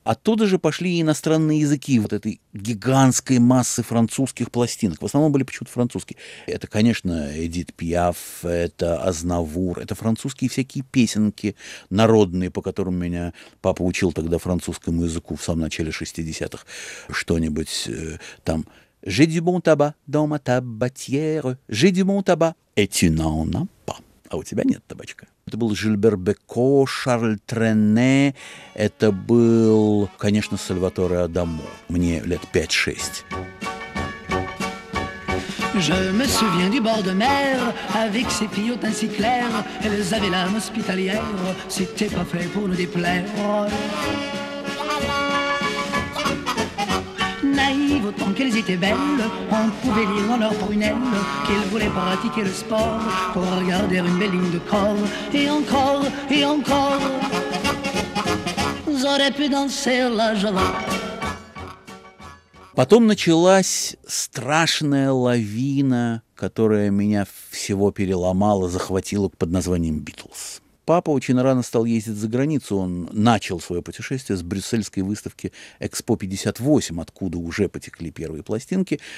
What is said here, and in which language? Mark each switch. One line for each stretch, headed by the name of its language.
Russian: Оттуда же пошли иностранные языки вот этой гигантской массы французских пластинок. В основном были почему-то французские. Это, конечно, Эдит Пиаф, это Азнавур, это французские всякие песенки народные, по которым меня папа учил тогда французскому языку в самом начале 60-х. Что-нибудь там.
French: «J'ai du bon tabac dans ma tabatière, j'ai du bon tabac, et tu n'en as pas».
Russian: «А у тебя нет табачка». Это был Жильбер Беко, Шарль Трене, это был, конечно, Сальваторе Адамо. Мне лет 5-6.
French: Je me souviens du bord de mer avec ses filles aux teintes si claires. Elles avaient l'âme hospitalière, c'était pas fait pour nous déplaire. Naïve autant qu'elles étaient belles, on pouvait lire dans leurs prunelles qu'elles voulaient pratiquer le sport pour regarder une belle ligne de corps. Et encore, et encore, j'aurais pu danser la java.
Russian: Потом началась страшная лавина, которая меня всего переломала, захватила под названием «Битлз». Папа очень рано стал ездить за границу. Он начал свое путешествие с брюссельской выставки «Экспо 58», откуда уже потекли первые пластинки.